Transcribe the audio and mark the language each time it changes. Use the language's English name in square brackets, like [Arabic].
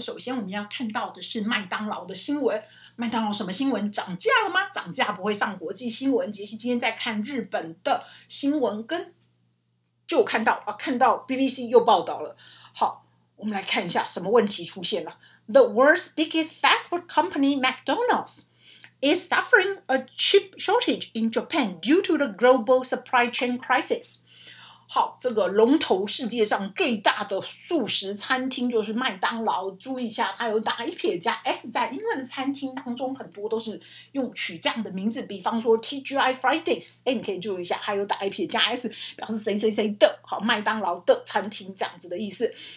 [Chinese] 首先我们要看到的是麦当劳的新闻。麦当劳什么新闻？涨价了吗？涨价不会上国际新闻。杰西今天在看日本的新闻，跟就看到BBC 又报道了。好，我们来看一下什么问题出现了。 [English] The world's biggest fast food company McDonald'sIs suffering a chip shortage in Japan due to the global supply chain crisis. [Chinese] 好，这个龙头世界上最大的速食餐厅就是麦当劳。注意一下，它有打一撇加 S 在英文的餐厅当中，很多都是用取这样的名字，比方说 TGI Fridays， 你可以注意一下，它有打一撇加 S， 表示谁谁谁的，好，麦当劳的餐厅这样子的意思。